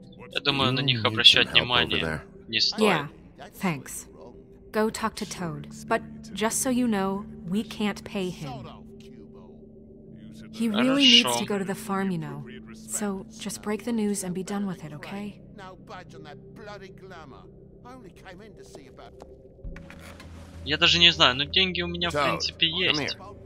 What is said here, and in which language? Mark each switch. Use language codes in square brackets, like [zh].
[ru] Я думаю, на них обращать внимание не стоит. [en] Yeah, thanks. Go talk to Toad. But just so you know, we can't pay him. He really needs to go to the farm, you know. So, just break the news and be done with it, okay? No budge on that bloody glamour. I only came in to see about... [ru] Я даже не знаю, но деньги у меня, в принципе, есть.